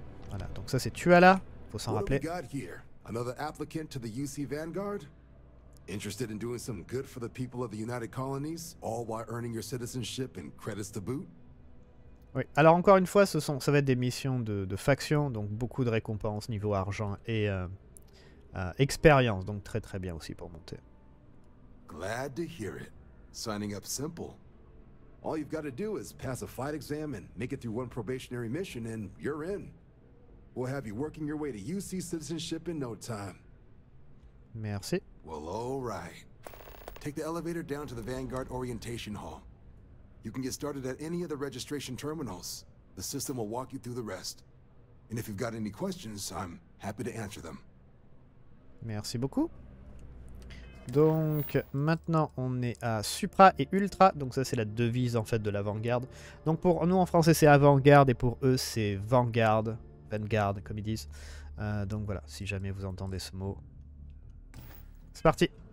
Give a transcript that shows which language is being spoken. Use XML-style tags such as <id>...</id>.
<fr>Voilà, donc ça c'est Tuala, faut s'en rappeler.</fr> <en>What have we got here? Another applicant to the UC Vanguard? Interested in doing some good for the people of the United Colonies, all while earning your citizenship and credits to boot?</en> <fr>Oui, alors encore une fois, ça va être des missions de faction, donc beaucoup de récompenses niveau argent et expérience, donc très très bien aussi pour monter.</fr> <en>Glad to hear it. Signing up simple. All you've got to do is pass a flight exam and make it through one probationary mission and you're in. We'll have you working your way to UC citizenship in no time.</en> <fr>Merci.</fr> <en>Well, all right. Take the elevator down to the Vanguard orientation hall. You can get started at any of the registration terminals. The system will walk you through the rest. And if you've got any questions, I'm happy to answer them.</en> <fr>Merci beaucoup. Donc maintenant on est à Supra et Ultra, donc ça c'est la devise en fait de l'avant-garde. Donc pour nous en français c'est avant-garde et pour eux c'est vanguarde. Vanguard, comme ils disent. Donc voilà, si jamais vous entendez ce mot. C'est parti.</fr>